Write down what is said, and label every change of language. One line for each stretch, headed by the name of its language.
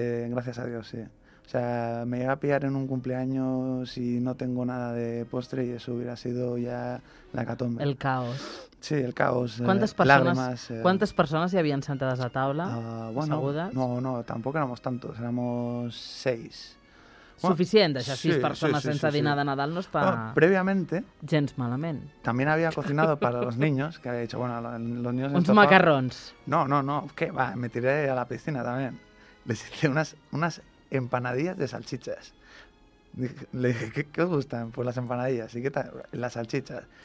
Spanish: Gracias a Dios, sí. O sea, me llega a pillar en un cumpleaños y no tengo nada de postre y eso hubiera sido ya la hecatombe. El caos. Sí, el caos, lágrimas... ¿Cuántas personas
Catalan: hi havien sentades a taula, bueno, assegudes?
Spanish: No, tampoc éramos tantos, éramos seis.
Catalan: Suficient, deixar sis persones sense dinar de Nadal no està... Bueno, prèviament... Gens malament.
Spanish: También había cocinado para los niños, que había dicho, bueno, los niños...
Catalan: Uns macarrons.
Spanish: No, que va, me tiré a la piscina también. Les hice unas empanadillas de salchichas. Le dije, ¿qué os gustan? Pues las empanadillas. ¿Y qué tal? Las salchichas.